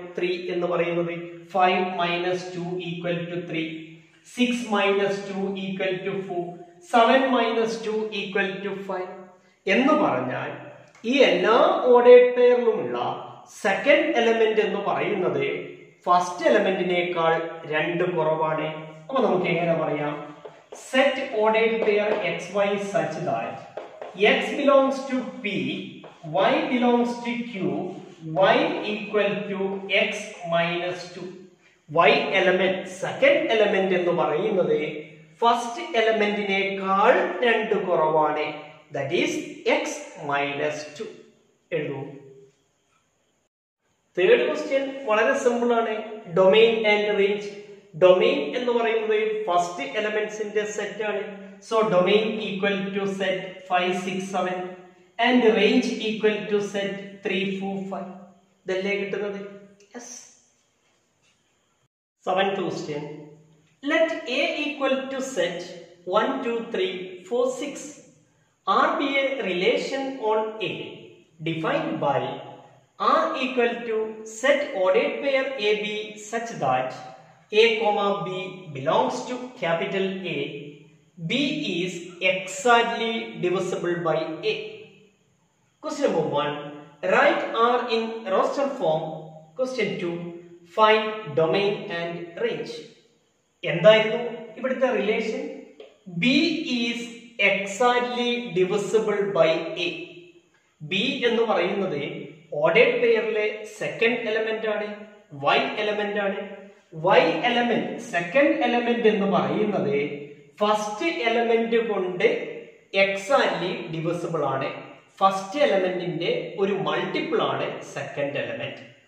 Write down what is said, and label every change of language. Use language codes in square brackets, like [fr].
[ml] 3 എന്ന് പറയുന്നത് 5 - 2 = 3, 6 - 2 = 4, 7 - 2 = 5 എന്ന് പറഞ്ഞാൽ ഈ എല്ലാ ഓർഡേഡ് പെയറിലുമുള്ള സെക്കൻഡ് എലമെന്റ് എന്ന് പറയുന്നത് ഫസ്റ്റ് എലമെന്റിനേക്കാൾ 2 കുറവാണ്. അപ്പൊ നമുക്ക് എങ്ങനെ പറയാം, [en] Set ordered pair x y such that x belongs to p, y belongs to q, y equal to x minus 2. [ml] y element, second element എന്ന് പറയുന്നത് first elementനേക്കാൾ 2 കുറവാണ്, [en] that is x minus 2 [ml] എഴുതും. third question വളരെ simple ആണ്, domain and range. Domain എന്ന് പറയുന്നത് first എലമെന്റ്സിന്റെ set ആണ്. [en] So domain equal to set 5, 6, 7 and range equal to set 3, 4, 5. [ml] Dalle kittunnathu? [en] Yes. 7th question. Let A equal to set 1, 2, 3, 4, 6. R be a relation on A defined by R equal to set ordered pair AB such that A, B belongs to capital A. B is exactly divisible by A. Question number 1. Write R in roster form. Question 2. Find domain and range. [ml] എന്തായിരുന്നു ഇവിടുത്തെ relation? [en] B is exactly divisible by A. [ml] B എന്ന് പറയുന്നത് ordered പെയറിലെ second element ആണ്, Y element ആണ്. Y element second element എന്ന് പറയുന്നത് first element കൊണ്ട് exactly divisible ആണ്. ഫസ്റ്റ് എലമെന്റിന്റെ ഒരു മൾട്ടിപ്പിൾ ആണ് സെക്കൻഡ് എലമെന്റ്.